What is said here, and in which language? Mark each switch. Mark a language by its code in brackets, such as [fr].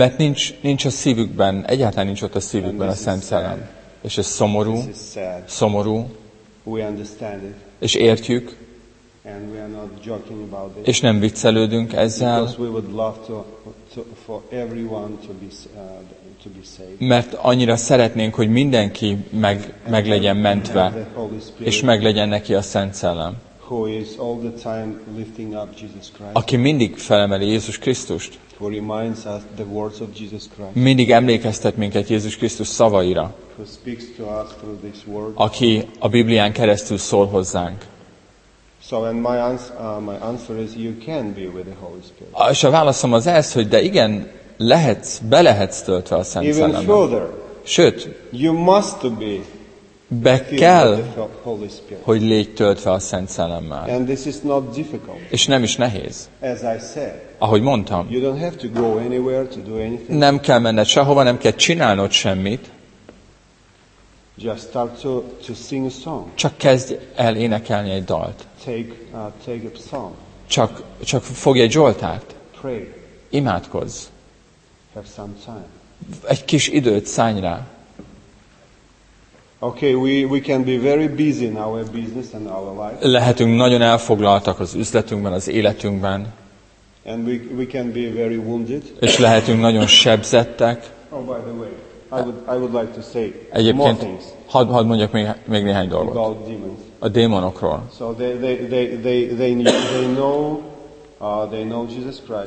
[hu] Mert nincs a szívükben, egyáltalán nincs ott a szívükben a Szent Szellem. És ez szomorú. Szomorú. [en] We understand it. [hu] És értjük. [en] And we are not joking about this. [hu] És nem viccelődünk ezzel. [en] Because we would love to for everyone to be saved. [hu] Mert annyira szeretnénk, hogy mindenki meg legyen mentve, és meg legyen neki a Szent Szellem. [en] Who is all the time lifting up Jesus Christ? [hu] Aki mindig felemeli Jézus Krisztust. [en] Who reminds us the words of Jesus Christ? [hu] Mindig emlékeztet minket Jézus Krisztus szavaira. [en] Who speaks to us through this word? [hu] Aki a Biblián keresztül szól hozzánk. [en] So and my answer is you can be with the Holy Spirit. [hu] És a válaszom az ez, hogy de igen, lehetsz, belehetsz töltve a Szent Szellemmel. [en] Even further. [hu] Sőt, [en] you must be. [hu] Be kell, hogy légy töltve a Szent Szellemmel. [en] And this is not difficult. [hu] És nem is nehéz. [en] As I said. [hu] Ahogy mondtam. [en] You don't have to go anywhere to do anything. [hu] Nem kell menned sehova, nem kell csinálnod semmit. [en] Just start to sing a song. [hu] Csak kezdj el énekelni egy dalt. [en] Take a song. [hu] Csak fogj egy zsoltárt. [en] Pray. [hu] Imádkozz. [en] Have some time. [hu] Egy kis időt szállj rá. [en] Okay, we can be very busy in our business and our life. [hu] Lehetünk nagyon elfoglaltak az üzletünkben, az életünkben. [en] And we can be very wounded. [hu] És lehetünk nagyon sebzettek. [en] Oh, by the way. I would like to say more things. [hu] Hadd mondjak még néhány dolgot. [en] About demons. [hu] A démonokról. [en] So they know Jesus Christ.